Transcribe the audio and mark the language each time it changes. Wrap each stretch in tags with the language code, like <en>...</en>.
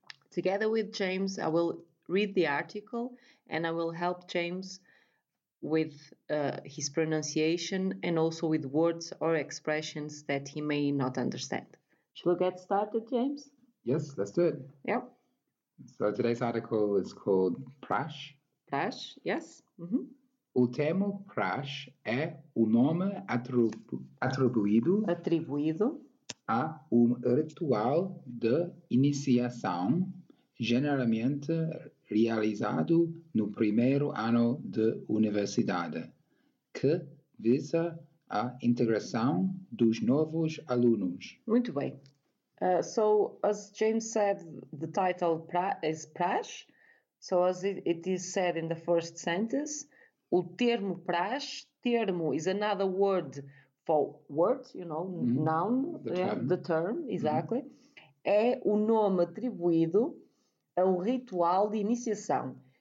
<en>Together with James, I will read the article and I will help James with his pronunciation and also with words or expressions that he may not understand. Shall we get started, James? Yes, let's do it. Yep. So today's article is called Praxe. Praxe, yes. Mm-hmm.</en> <pt>O termo praxe é o nome atribuído a um ritual de iniciação generalmente realizado no primeiro ano de universidade, que visa a integração dos novos alunos. Muito bem.</pt> <en>So, as James said, the title is praxe. So, as it is said in the first sentence,</en> <pt>o termo praxe,</pt> <en>termo is another word for word, you know, noun, the term, exactly.</en> <pt>É o nome atribuído a um ritual de iniciação.</pt>